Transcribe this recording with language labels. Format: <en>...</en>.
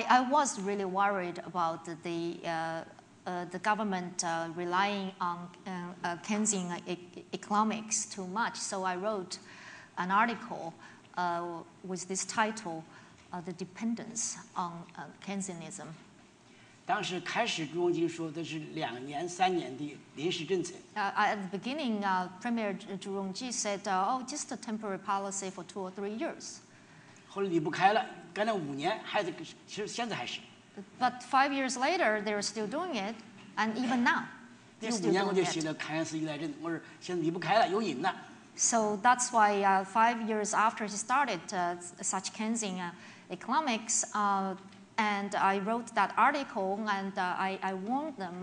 <en>was really worried about the government relying on Keynesian economics too much. So I wrote an article with this title, The Dependence on Keynesianism.</en> <zh>当时开始朱镕基说的是两年、三年的临时政策。</zh> <en>At the beginning, Premier Zhu Rongji said, oh, just a temporary policy for 2 or 3 years.</en> <zh>后来离不开了，干了5年，还是其实现在还是。</zh> <en>But 5 years later, they're still doing it, and even now, they're still doing it. So that's why 5 years after he started such Keynesian economics, and I wrote that article, and I warned them.</en>